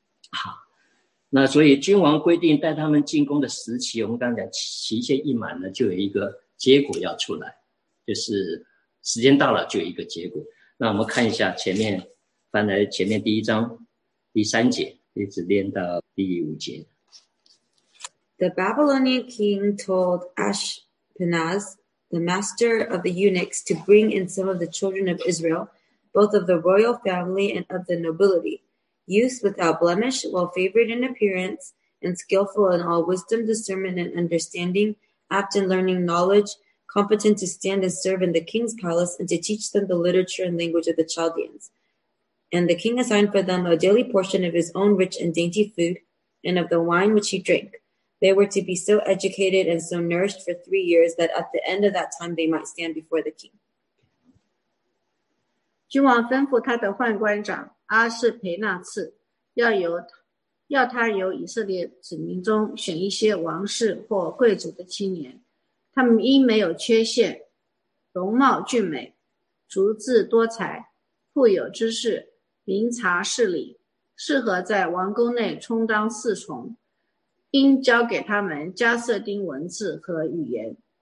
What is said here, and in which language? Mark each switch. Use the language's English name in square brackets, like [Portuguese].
[Chinese] 好，那所以君王规定带他们进攻的时期，我们刚讲期限一满了，就有一个结果要出来，就是时间到了就有一个结果。那我们看一下前面，翻来前面第一章第三节，一直念到第五节。 [English] The Babylonian king told Ashpenaz, the master of the eunuchs, to bring in some of the children of Israel, both of the royal family and of the nobility. Youth without blemish, well favored in appearance, and skillful in all wisdom, discernment, and understanding, apt in learning knowledge, competent to stand and serve in the king's palace, and to teach them the literature and language of the Chaldeans. And the king assigned for them a daily portion of his own rich and dainty food, and of the wine which he drank. They were to be so educated and so nourished for 3 years that at the end of that time they might stand before the king. [Chinese] 君王吩咐他的宦官长阿士培纳次，要他由以色列子民中选一些王室或贵族的青年，他们应没有缺陷，容貌俊美，足智多才，富有知识，明察事理，适合在王宫内充当侍从，应交给他们加色丁文字和语言。